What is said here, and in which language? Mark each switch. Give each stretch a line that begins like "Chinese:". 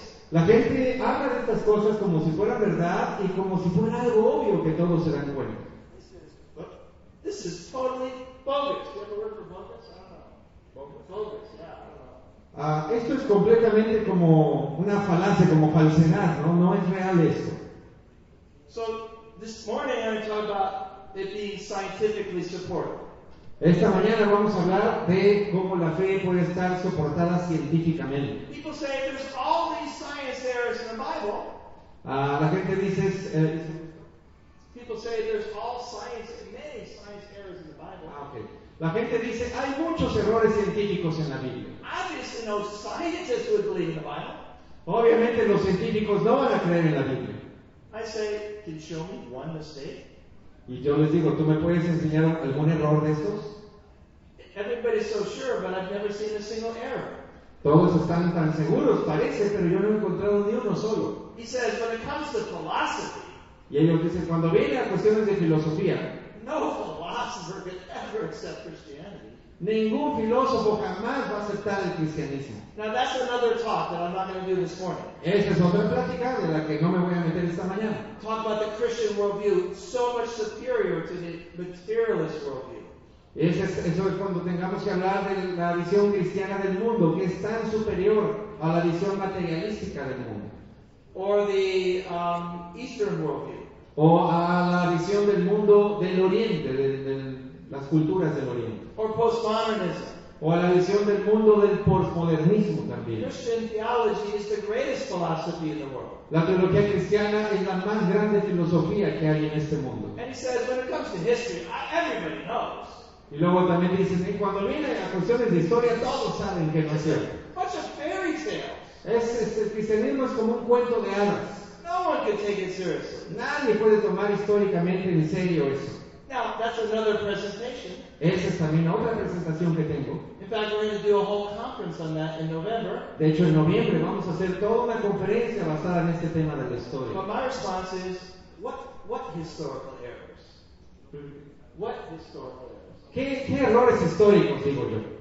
Spanish: La gente habla de estas cosas como si fuera verdad y como si fuera algo obvio que todos se dan cuenta.
English: This is totally bogus. You ever heard of bogus? I don't know. Bogus, yeah, I don't know.
Spanish: Esto es completamente como una falacia, como falsedad, ¿no? No es real esto.
English: So, this morning I talk about it being scientifically supported.
Spanish: Esta mañana vamos a hablar de cómo la fe puede estar soportada científicamente.
English: People say there's all these science errors in the Bible.
Spanish: La gente dice...
English: People say there's all science, many science errors in the Bible. Ah, okay.
Spanish: La gente dice hay muchos errores científicos en la Biblia.
English: Obviously, no scientists would believe in the Bible.
Spanish: Obviamente, los científicos no van a creer en la Biblia.
English: I say, can you show me one mistake?
Spanish: Y yo les digo, ¿tú me puedes enseñar algún error de estos?
English: Everybody's so sure, but I've never seen a single error.
Spanish: Todos están tan seguros, parece, pero yo no he encontrado ni uno solo.
English: He says, when it comes to philosophy.
Spanish: Y ellos dicen, cuando viene a cuestiones de filosofía,
English: no philosopher could ever accept Christianity.
Spanish: Ningún filósofo jamás va a aceptar el cristianismo.
English: Now that's another talk that I'm not going to do this morning.
Spanish: Esta es otra plática de la que no me voy a meter esta mañana.
English: Talk about the Christian worldview so much superior to the materialist worldview.
Spanish: Eso es cuando tengamos que hablar de la visión cristiana del mundo, que es tan superior a la visión materialística del mundo.
English: Or the Eastern worldview.
Spanish: O a la visión del mundo del Oriente, de las culturas del Oriente.
English: Or postmodernism.
Spanish: O a la visión del mundo del postmodernismo también.
English: Christian theology is the greatest philosophy in the world.
Spanish: La teología cristiana es la más grande filosofía que hay en este mundo.
English: And he says, when it comes to history, everybody knows.
Spanish: Y luego también dicen, y cuando viene a cuestiones de historia, todos saben que no es cierto.
English: Bunch of fairy tales.
Spanish: El cristianismo es como un cuento de hadas.
English: No one can take it seriously.
Spanish: Nadie puede tomar históricamente en serio eso.
English: Now, that's another presentation.
Spanish: Esa es también otra presentación que tengo.
English: In fact, we're going to do a whole conference on that in November.
Spanish: De hecho, en noviembre vamos a hacer toda una conferencia basada en este tema de la historia.
English: But my response is, what historical errors? What historical errors?
Spanish: ¿Qué errores históricos, digo yo?